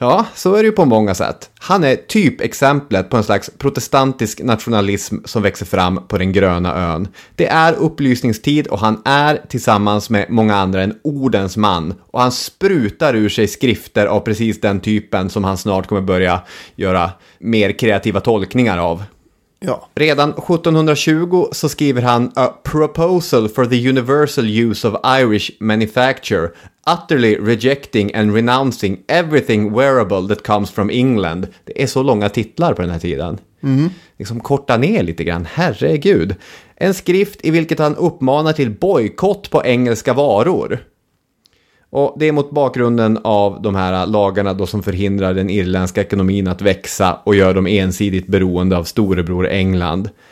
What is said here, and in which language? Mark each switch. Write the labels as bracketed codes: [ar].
[sv] Ja, så är det ju på många sätt. Han är typ exemplet på en slags protestantisk nationalism som växer fram på den gröna ön. Det är upplysningstid och han är tillsammans med många andra en ordens man. Och han sprutar ur sig skrifter av precis den typen som han snart kommer börja göra mer kreativa tolkningar av. Ja. Redan 1720 så skriver han [en] A proposal for the universal use of Irish manufacture, utterly rejecting and renouncing everything wearable that comes from England. [sv] Det är så långa titlar på den här tiden. Mm. Liksom korta ner lite grann, herregud. En skrift i vilket han uppmanar till bojkott på engelska varor. Och det är mot bakgrunden av de här lagarna då som förhindrar den irländska ekonomin att växa och gör dem ensidigt beroende av storebror England.